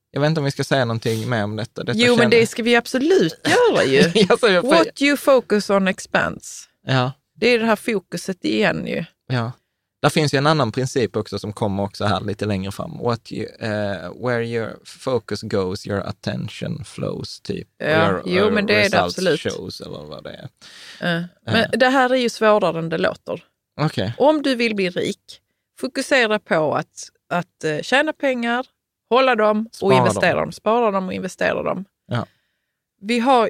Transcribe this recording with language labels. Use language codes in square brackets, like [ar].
[sv] Jag vet inte om vi ska säga någonting mer om detta. Detta jo, känner... men det ska vi absolut göra ju. [en] What you focus on expands. [sv] Ja. Det är det här fokuset igen ju. Ja. Där finns ju en annan princip också som kommer också här lite längre fram. [en] What you, where your focus goes, your attention flows, typ. [sv] Ja, men det är det absolut. Shows, eller vad det är. Men det här är ju svårare än det låter. Okej. [en] Okay. [sv] Om du vill bli rik, fokusera på att tjäna pengar, hålla dem och investera dem. Spara dem och investera dem. Ja.